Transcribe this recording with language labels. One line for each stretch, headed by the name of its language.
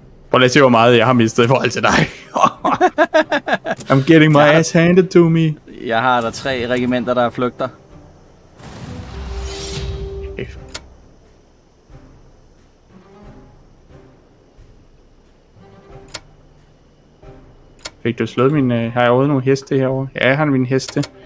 Danish: Prøv lige at se, hvor meget jeg har mistet i forhold til dig.
English: I'm getting my ass handed to me.
Danish: Jeg har der tre regimenter, der flygter. Fik du slået min... har jeg overhovedet nogle heste herovre? Ja, jeg har min heste.